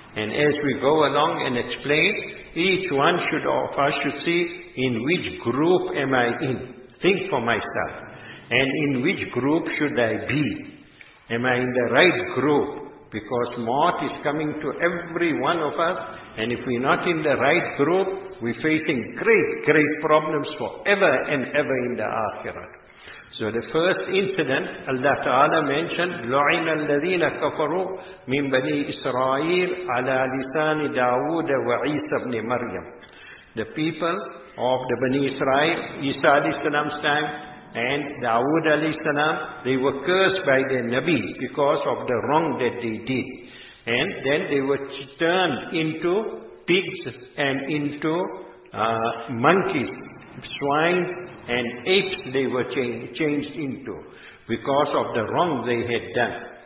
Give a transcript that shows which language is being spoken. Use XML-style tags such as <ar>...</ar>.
<en>And as we go along and explain, each one should of us should see in which group am I in. Think for myself. And in which group should I be? Am I in the right group? Because mort is coming to every one of us. And if we're not in the right group, we're facing great, great problems forever and ever in the akhirah. So the first incident, Allah Ta'ala mentioned,</en> <ar>لُعِنَ الَّذِينَ كَفَرُوا مِنْ بَنِي إِسْرَائِيلَ عَلَى لِسَانِ دَاوُودَ وَعِيسَى بْنِ مَرْيَمَ.</ar> <en>The people of the Bani Israel, Isa alayhi salam's time, and Dawood alayhi salam, they were cursed by the Nabi because of the wrong that they did. And then they were turned into pigs and into monkeys, swine and apes they were changed into because of the wrong they had done.</en>